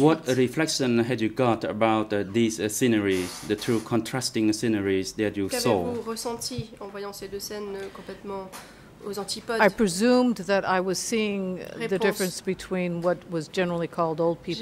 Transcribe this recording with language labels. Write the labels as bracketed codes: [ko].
[en] What reflection had you got about these sceneries, the two contrasting sceneries that you saw? [fr] Qu'avez-vous ressenti en voyant ces deux scènes complètement aux antipodes? [en] I presumed that I was seeing [fr] réponse. [en] The difference between what was generally called old people